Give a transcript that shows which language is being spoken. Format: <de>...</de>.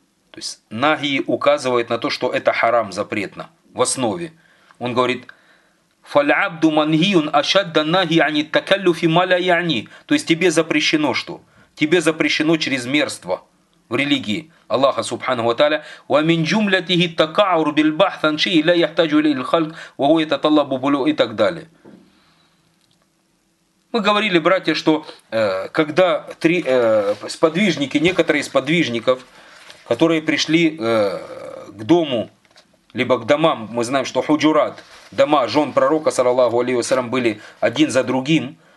<ru>то есть نهي указывает на то что это харам запретно в основе он говорит</ru> <ar>فالعبد منهي أشد النهي عن التكلف ما لا يعني.</ar> <ru>То есть тебе запрещено что? Тебе запрещено чрезмерство в религии Аллаха Субхана ва тааля.</ru> <ar>ومن جملته التكعر بالبحث عن شيء لا يحتاج إليه الخلق وهو يتطلب بلوغ</ar> <ru>и так далее. Мы говорили, братья, что когда сподвижники, некоторые из сподвижников, которые пришли к дому, либо к домам, мы знаем, что худжурат, дома жен пророка, саллаллаху алейхи ва саллям, были один за другим.</ru>